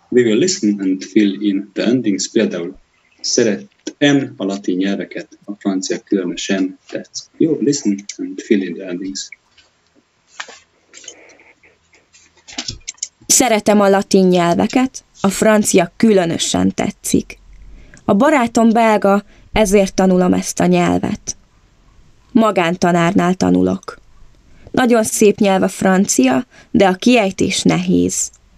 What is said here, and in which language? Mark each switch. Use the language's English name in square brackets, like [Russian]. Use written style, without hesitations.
[English] We will listen and fill in the endings. [Hungarian] Például szeretem a latin nyelveket, a francia különösen tetszik. [English] Jó, listen and fill in the endings. [Hungarian] Szeretem a latin nyelveket, a francia különösen tetszik. A barátom belga, ezért tanulom ezt a nyelvet. Magántanárnál tanulok. Nagyon szép nyelv a francia, de a kiejtés nehéz.